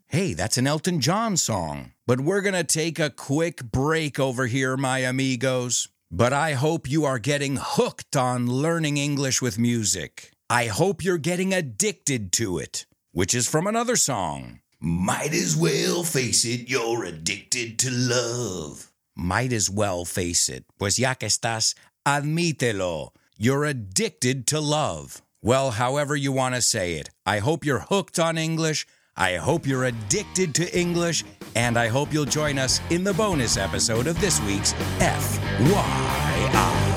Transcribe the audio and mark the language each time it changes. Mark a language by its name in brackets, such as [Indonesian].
[English] Hey, that's an Elton John song. But we're going to take a quick break over here, my amigos. But I hope you are getting hooked on learning English with music. I hope you're getting addicted to it, which is from another song. Might as well face it, you're addicted to love. Might as well face it. [Spanish] Pues ya que estás, admítelo. [English] You're addicted to love. Well, however you want to say it, I hope you're hooked on English. I hope you're addicted to English, and I hope you'll join us in the bonus episode of this week's FYI.